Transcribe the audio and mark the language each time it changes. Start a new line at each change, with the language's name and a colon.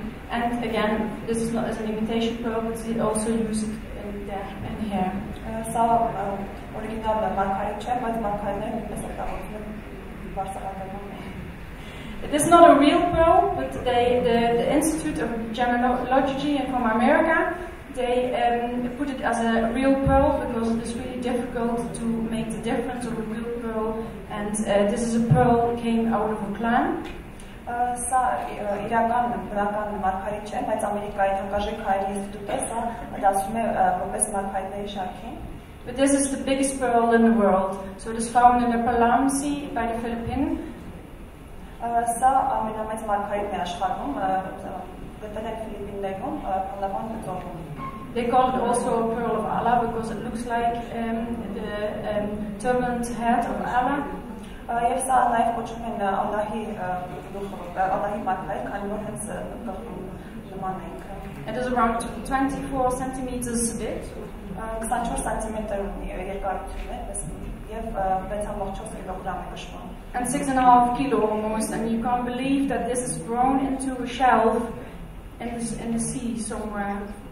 English: And again, this is not as an imitation pearl, but she also used it in hair.
Armenian: սա օրիգինալ մարկարի չէ, բայց մարկարները նույնպես օգտագործվում են Բարսելոնայում։
English: It is not a real pearl, but the Institute of Gemology from America, they put it as a real pearl because it is really difficult to make the difference of a real pearl, and this is a pearl that came out of a clam.
Armenian: Սա իրական բնական մարգարիտ չէ, բայց Ամերիկայի հանրակրկիտ հայտնի ինստիտուտը սա դասում է որպես մարգարիտների շարքին.
English: But this is the biggest pearl in the world, so it is found in the Palam Sea by the Philippines.
Armenian: Սա ամենամեծ մարգարիտն է աշխարհում, գտնվում է Ֆիլիպիններում, Պալավան գոտում։
English: They call it also a pearl of Allah because it looks like the turbaned head of Allah.
Armenian: Եվ սա նաև կոչվում են Ալլահի գլուխը, Ալլահի մարգարիտ, քանի որ հենց գլուխում նման է ինքը։
English: It is around 24 centimeters thick.
Armenian: 24 centimeter երկարությունն է, եւ 6.4 կիլոգրամ է կշռում։
English: And 6.5 kilo almost, and you can't believe that this is grown into a shelf in the sea somewhere.